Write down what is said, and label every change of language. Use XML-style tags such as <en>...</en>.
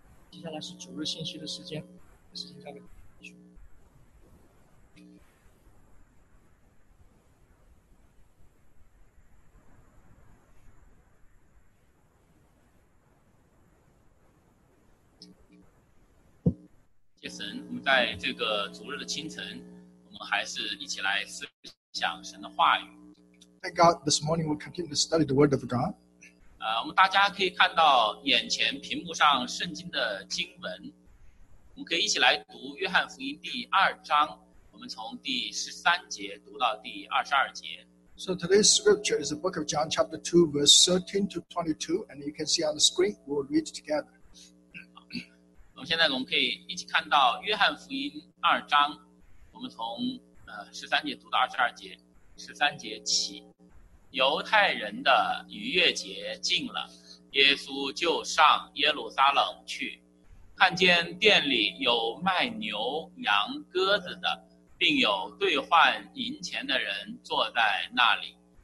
<zh>接下来是主日信息的时间，时间交给神。我们在这个主日的清晨，我们还是一起来思想神的话语。</zh> <en>Thank God, this morning we'll continue to study the Word of God.</en> <zh>我们大家可以看到眼前屏幕上圣经的经文，我们可以一起来读《约翰福音》第二章，我们从第十三节读到第二十二节。</zh> <en>So today's scripture is the Book of John, chapter 2, verse 13 to 22, and you can see on the screen. We'll read together.</en> <zh>我们现在我们可以一起看到约翰福音二章，我们从十三节读到二十二节。十三节起，犹太人的逾越节近了，耶稣就上耶路撒冷去，看见店里有卖牛羊鸽子的，并有兑换银钱的人坐在那里，</zh>